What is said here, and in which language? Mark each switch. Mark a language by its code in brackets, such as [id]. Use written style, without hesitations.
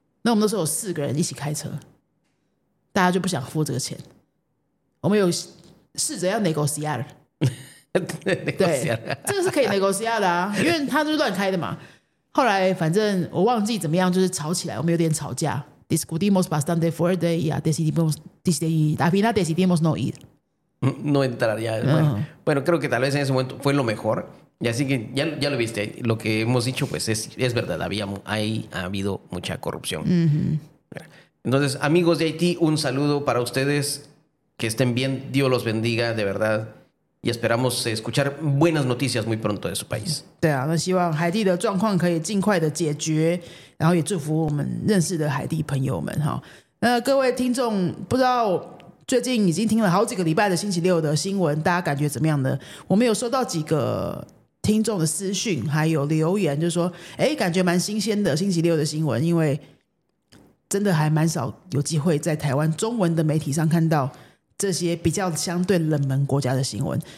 [zh] 那我们那时候有4个人一起开车，大家就不想付这个钱，我们有试着要 negotiate。对，这个是可以 negotiate 的啊，因为他就是乱开的嘛。后来反正我忘记怎么样，就是吵起来，我们有点吵架。 [es] Discutimos bastante fuerte y decidimos no ir。 No entraría. Uh-huh. Bueno, creo que tal vez en ese momento fue lo mejor. Y así que ya lo viste. Lo que hemos dicho, pues es verdad. Ha habido mucha corrupción. Uh-huh. Entonces, amigos de Haití, un saludo para ustedes. Que estén bien. Dios los bendiga, de verdad. Y esperamos escuchar buenas noticias muy pronto de su país. Sí, entonces, espero que [zh] 最近已经听了好几个礼拜的星期六的新闻，大家感觉怎么样呢？我们有收到几个听众的私讯还有留言，就是说哎，感觉蛮新鲜的星期六的新闻，因为真的还蛮少有机会在台湾中文的媒体上看到这些比较相对冷门国家的新闻。